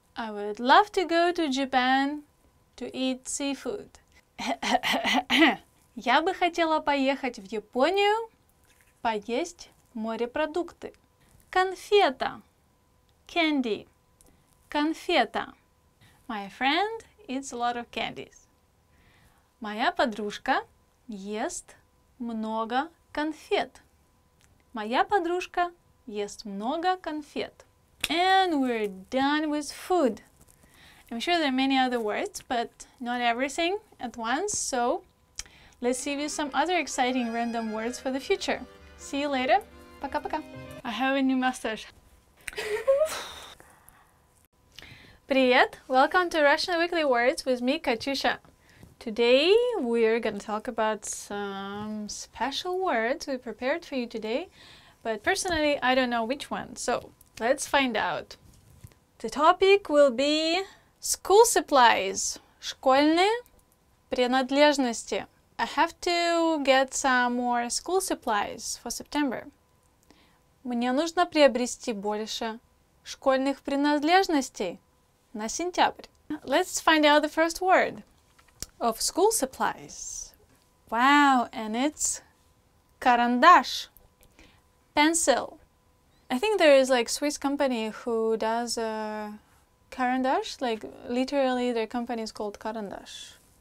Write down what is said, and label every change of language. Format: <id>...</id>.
<en>I would love to go to Japan to eat seafood.</en> <ru>Я бы хотела поехать в Японию поесть морепродукты. Конфета.</ru> <en>Candy.</en> <ru>Конфета.</ru> <en>My friend eats a lot of candies.</en> <ru>Моя подружка ест много конфет. Моя подружка ест много конфет.</ru> <en>And we're done with food. I'm sure there are many other words, but not everything at once. So let's give you some other exciting random words for the future. See you later.</en> <ru>Пока, пока.</ru> <en>I have a new message.</en> <ru>Привет.</ru> <en>Welcome to Russian Weekly Words with me, Katyusha. Today we're gonna talk about some special words we prepared for you today, but personally I don't know which one. So let's find out. The topic will be school supplies.</en> <ru>Школьные принадлежности.</ru> <en>I have to get some more school supplies for September.</en> <ru>Мне нужно приобрести больше школьных принадлежностей на сентябрь.</ru> <en>Let's find out the first word of school supplies. Wow, and it's карандаш, pencil. I think there is like Swiss company who does карандаш, like literally their company is called карандаш.</en>